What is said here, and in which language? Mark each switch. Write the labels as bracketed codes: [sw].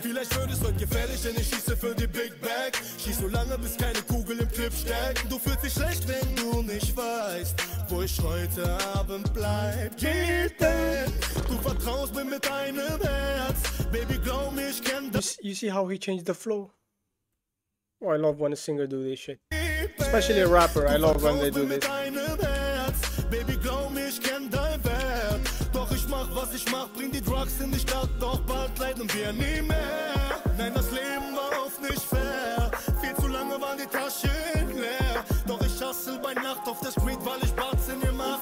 [de] Vielleicht wird es heute gefährlich, denn ich schieße für die Big Bag. Schieß so lange, bis keine Kugel im Clip steckt. Du fühlst dich schlecht, wenn du nicht weißt, wo ich heute Abend bleib. Du vertraust mir mit deinem Herz. Baby, glaub mir, ich kenn das. [en] You see how he changed the flow? Oh, I love when a singer do this shit. Especially a rapper, I love when they do this. [de] Baby, glaub mir, ich kenn dein Wert. Doch ich mach, was ich mach, bring die Drugs in die Stadt. Doch bald leiden wir nie mehr. Nein, das Leben war oft nicht fair. Viel zu lange waren die Taschen leer. Doch ich hustle bei Nacht auf der Street, weil ich Bats in ihr mach.